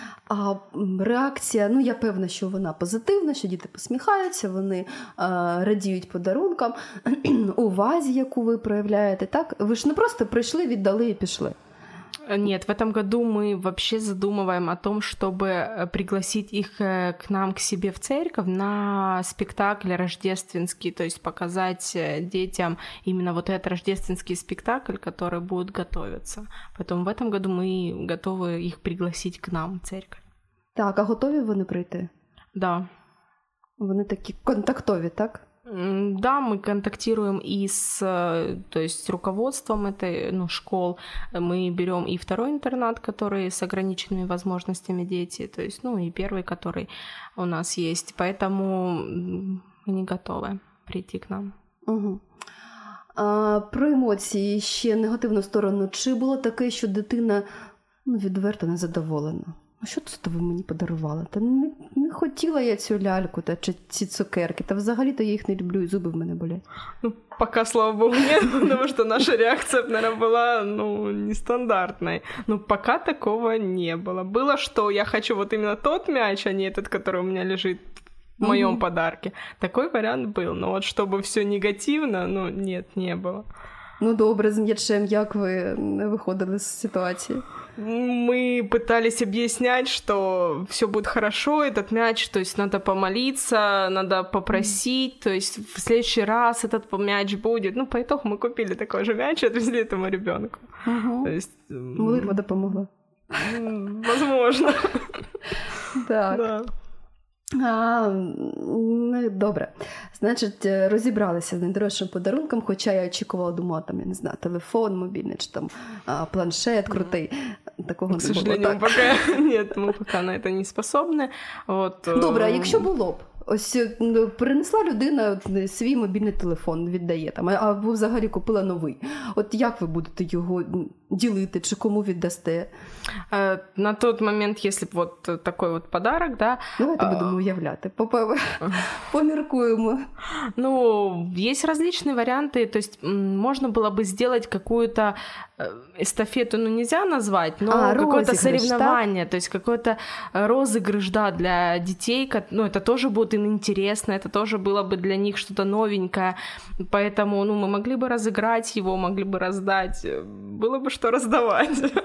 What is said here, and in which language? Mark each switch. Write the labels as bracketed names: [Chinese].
[Ukrainian] А реакція, ну, я певна, що вона позитивна, що діти посміхаються, вони радіють подарункам, увазі, яку ви проявляєте, так? Ви ж не просто прийшли, віддали і пішли. [Russian] Нет, в этом году мы вообще задумываем о том, чтобы пригласить их к нам, к себе в церковь на спектакль рождественский, то есть показать детям именно вот этот рождественский спектакль, который будет готовиться. Поэтому в этом году мы готовы их пригласить к нам в церковь. [Ukrainian] Так, а готовы вони прийти? [Russian] Да. [Ukrainian] Вони такі контактові, так? [Russian] Да, мы контактируем и с, то есть, руководством этой, ну, школ. Мы берем и второй интернат, который с ограниченными возможностями дети, то есть, ну, и первый, который у нас есть. Поэтому они готовы прийти к нам. Угу. [Ukrainian] А про емоції ще негативну сторону. Чи було таке, що дитина відверто незадоволена? А що це ви мені подарували? Та не хотіла я цю ляльку та чи ці цукерки. Та взагалі-то я їх не люблю, і зуби в мене болять. Ну, поки, слава Богу, ні, тому що наша реакція б, [Russian] наверное, [Ukrainian] була, ну, нестандартною. Ну, поки такого не було. Було, що я хочу от іменно той м'яч, а не той, який у мене лежить в моєму подарці. Такий варіант був. Ну, от щоб все негативно, ну, ні, не було. Ну, добре, з м'ячем, як ви не виходили з ситуації? [Russian] Мы пытались объяснять, что все будет хорошо, этот мяч, то есть надо помолиться, надо попросить, то есть в следующий раз этот мяч будет. Ну, по итогу мы купили такой же мяч и отвезли этому ребенку. [Ukrainian] То есть, молитва допомогла. [Russian] Возможно. [Ukrainian] Так. Да. А, ну, добре, значить, розібралися з найдорожчим подарунком, хоча я очікувала, думала, там, я не знаю, телефон мобільний, чи там планшет крутий, такого не було. [Russian] Так. Пока... [Ukrainian] Нет, ми поки на це не способні. Вот, добре, а якщо було б? Ось, ну, принесла людина свій мобільний телефон, віддає там, або взагалі купила новий. От як ви будете його ділити, чи кому віддасте? На той момент, якщо б от такий от подарок, да? Давайте будемо уявляти, поміркуємо. Ну, є різні варіанти, то есть можна було б зробити [Russian] какую-то эстафету, ну, нельзя назвать, но какое-то соревнование, так? То есть какой-то розыгрыш, да, для детей, ну, это тоже будет им интересно, это тоже было бы для них что-то новенькое, поэтому, ну, мы могли бы разыграть его, могли бы раздать, было бы что раздавать.